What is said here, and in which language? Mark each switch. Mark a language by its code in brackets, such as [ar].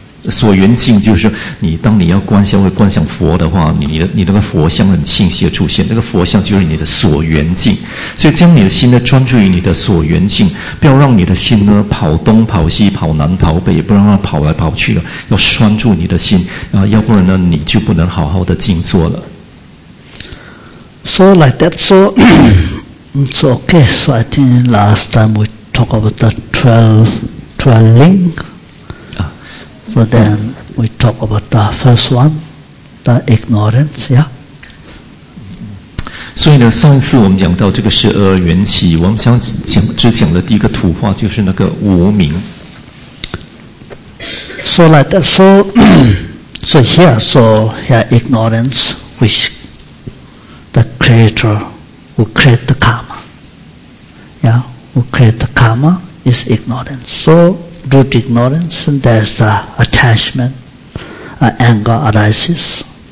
[zh] 所缘境就是你当你要观想会观想佛的话，你那个佛像很清晰的出现，那个佛像就是你的所缘境。所以将你的心呢专注于你的所缘境，不要让你的心呢跑东跑西跑南跑北，也不让它跑来跑去了，要拴住你的心啊，要不然呢你就不能好好的静坐了。 [en] So like that, so so okay. So I think last time we talk about the 12 link. So then we talk about the first one, the ignorance, yeah. [zh] 所以呢，上一次我们讲到这个十二缘起，我们想讲只讲了第一个土话，就是那个无明。 [en] So like that, so, so here ignorance, which the creator who create the karma. Yeah, who create the karma is ignorance. So due to ignorance, and there's the attachment, anger arises.